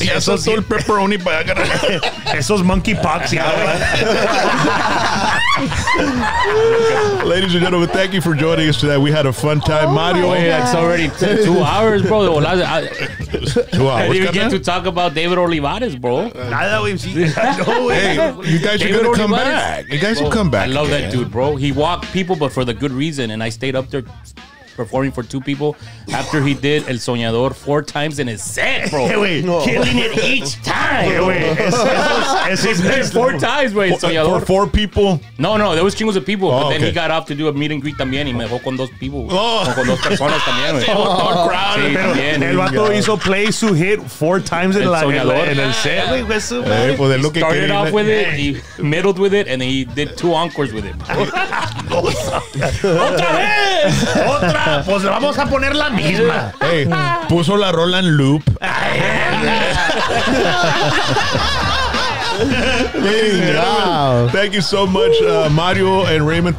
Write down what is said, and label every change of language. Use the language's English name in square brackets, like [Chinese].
[Spanish] Y eso es todo el pepperoni para agarrar. Eso es monkeypox. [English] Ladies and gentlemen, thank you for joining us today. We had a fun time. Oh, Mario, it's already 2 hours, bro. 2 hours. I didn't even get to talk about David Olivares, bro. [Spanish] Nada, [English] we've seen. No way. Hey, you guys are going to come back. You guys will come back. I love that dude, bro. He walked people, but for the good reason. And I stayed up there performing for two people after he did El Soñador 4 times in his set, bro. Hey, wait. No. Killing it each time. Hey, wait. It's 4 times, wait. El Soñador. For 4 people? No, there was chingos of people. Oh, but then okay. He got off to do a meet and greet [Spanish] también y me dejó con dos [English] people. Oh. [Spanish] Con dos personas también, wey. [English] Oh, dark crowd. [Spanish] Sí, también. El vato hizo play su hit [English] 4 times [Spanish] in El Soñador. En el set, wey. [English] Yeah. Yeah. He started off with it, he middled with it, and he did 2 encores with it. [Spanish] ¡Otra vez! ¡Otra vez! Pues vamos a poner la misma. Hey, puso la rola en loop. [English] Thank you so much, Mario and Raymond.